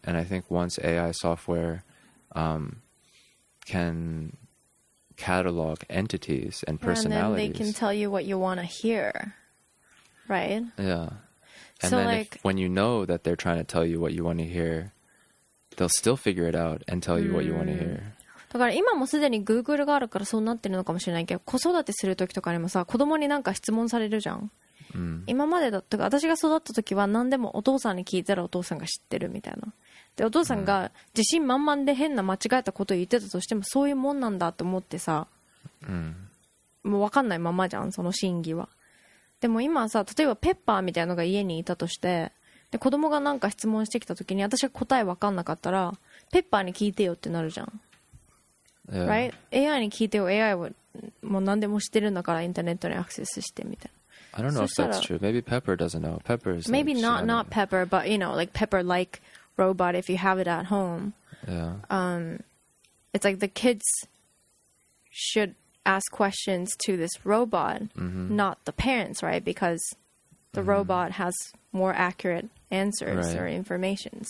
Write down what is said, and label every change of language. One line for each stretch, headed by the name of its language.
English: And I think once AI software can catalog entities and personalities. And then they can tell you what you want to hear. Right? Yeah. And so then like, when you know that they're trying to tell you what you want to hear, they'll still figure it out and tell you what you want to hear.
Japanese: だから今もすでに Google があるからそうなってるのかもしれないけど、子育てするときとかにもさ、子供になんか質問されるじゃん。今までだとか、私が育ったときは何でもお父さんに聞いたらお父さんが知ってるみたいな。で、お父さんが自信満々で変な間違えたことを言ってたとしても、そういうもんなんだと思ってさ、もう分かんないままじゃん、その真偽は。でも今さ、例えばペッパーみたいなのが家にいたとして、で子供がなんか質問してきたときに私が答え分かんなかったらペッパーに聞いてよってなるじゃん、
English: Right?
Japanese: AI に聞いてよ、 AI はもう何でも知ってるんだからインターネットにアクセスしてみたいな。
English: I don't know if that's true. Maybe Pepper doesn't know. Pepper is maybe not Pepper, but you know, like Pepper like robot if you have it at home. Yeah. It's like the kids shouldask questions to this robot, not the parents, right? Because the robot has more accurate answers or information.